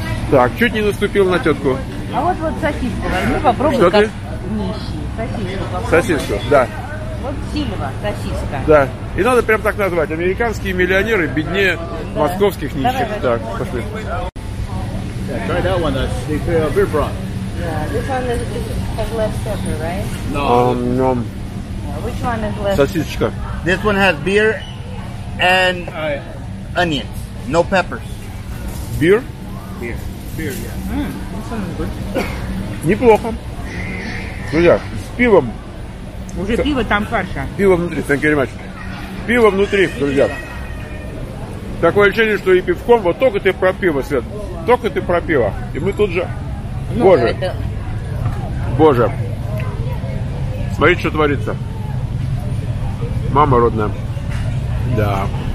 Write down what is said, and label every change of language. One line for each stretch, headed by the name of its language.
Russian: Так, чуть не наступил на тетку. А вот сосиску возьми, попробуй. Что как ты? Нищий. Сосиску попробуй. Сосиску, да. Вот Сильва, сосиска. Да. И надо прям так назвать. Американские миллионеры беднее московских нищих. Давай, так, пошли.
English: Yeah, try that one, that's the beer brand. Yeah, this one has less pepper, right? No. Which one is less?
Russian: Сосисочка.
English: This one has beer and onions. No peppers. Beer? Beer.
Russian: Неплохо. Друзья, с пивом. Уже пиво там фарша. Пиво внутри,
English: thank you very much.
Russian: Пиво внутри, друзья. Такое ощущение, что и пивком. Вот только ты про пиво, Свет. Только ты про пиво. И мы тут же. Боже. Боже. Смотрите, что творится. Мама родная. Да.